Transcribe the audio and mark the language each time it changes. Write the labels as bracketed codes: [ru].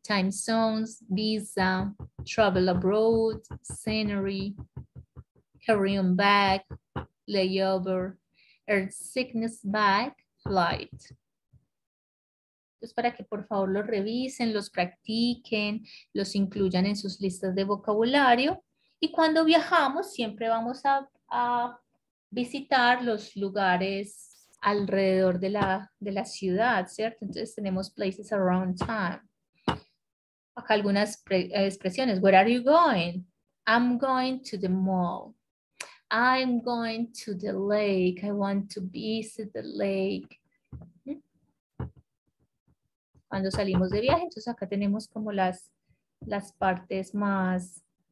[en] zones, visa, travel abroad, scenery, carry-on bag, layover, air sickness bag, flight. [es] Entonces, para que por favor los revisen, los practiquen, los incluyan en sus listas de vocabulario. Y cuando viajamos, siempre vamos a visitar los lugares alrededor de la ciudad, ¿cierto? Entonces, tenemos [en] places around town. [es] Acá algunas expresiones. [en] Where are you going? I'm going to the mall. I'm going to the lake. I want to visit the lake. [es] Cuando salimos de viaje, entonces acá tenemos como las partes más,